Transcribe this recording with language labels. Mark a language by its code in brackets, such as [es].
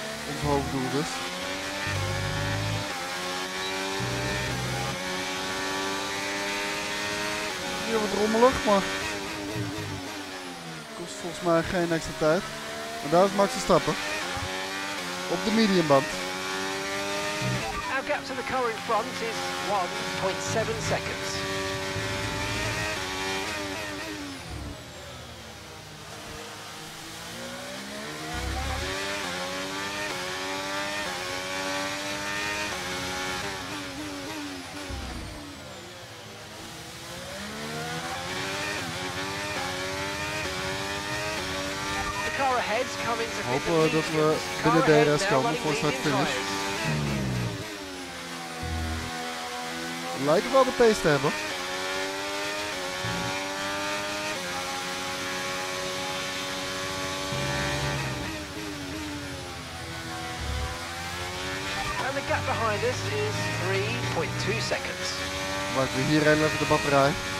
[nl] Ons hoofddoel dus. Hier wat rommelig, maar kost volgens mij geen extra tijd. En daar is Max Verstappen op de mediumband. [en] Our gap to the car in front is 1.7 seconds. [nl] Hopen dat we binnen DRS komen voor start finish. Lijken wel de pace te hebben. [en] And the gap behind us is 3.2 seconds. [nl] Maar we hier rijden even de batterij.